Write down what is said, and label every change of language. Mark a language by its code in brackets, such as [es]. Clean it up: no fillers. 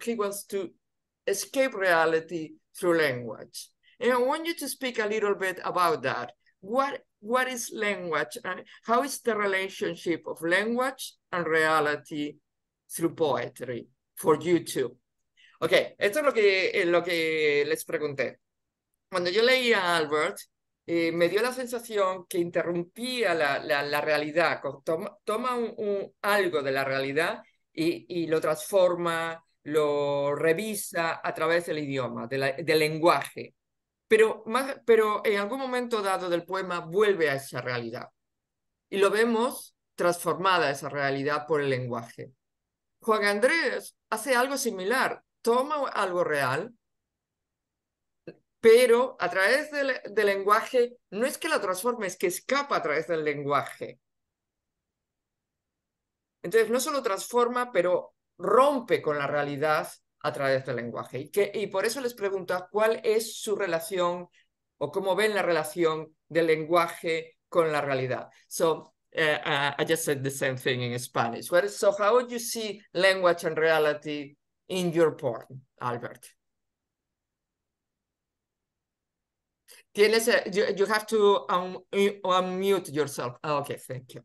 [en] He wants to escape reality through language. And I want you to speak a little bit about that. What is language? And how is the relationship of language and reality through poetry for you two? [es] Okay, esto es lo que les pregunté. Cuando yo leí a Albert, me dio la sensación que interrumpía la realidad. Toma un algo de la realidad y lo transforma, lo revisa a través del idioma, del lenguaje. Pero en algún momento dado del poema vuelve a esa realidad. Y lo vemos transformada esa realidad por el lenguaje. Juan Andrés hace algo similar. Toma algo real, pero a través del lenguaje, no es que la transforme, es que escapa a través del lenguaje. Entonces, no solo transforma, pero rompe con la realidad a través del lenguaje. Y por eso les pregunto, ¿cuál es su relación o cómo ven la relación del lenguaje con la realidad? [en] So, I just said the same thing in Spanish. So, how would you see language and reality in your poem, Albert? You have to unmute yourself. Okay, thank you.